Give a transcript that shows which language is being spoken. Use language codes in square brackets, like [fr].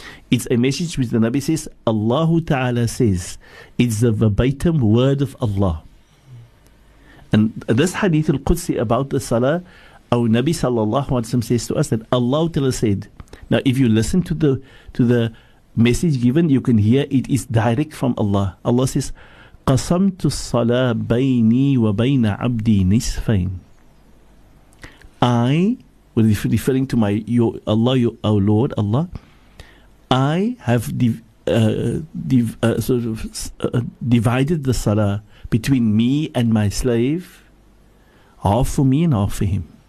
[en] It's a message which the Nabi says, Allahu Ta'ala says, it's the verbatim word of Allah. And this Hadith al-Qudsi about the Salah, our Nabi sallallahu alayhi wa sallam says to us that Allah Ta'ala said, now if you listen to the message given, you can hear it is direct from Allah. Allah says, [ar] قَسَمْتُ الصَّلَاةَ بَيْنِي وَبَيْنَ عَبْدِي نِسْفَيْن. [en] I, referring to my Allah, I have divided the salah between me and my slave, half for me and half for him.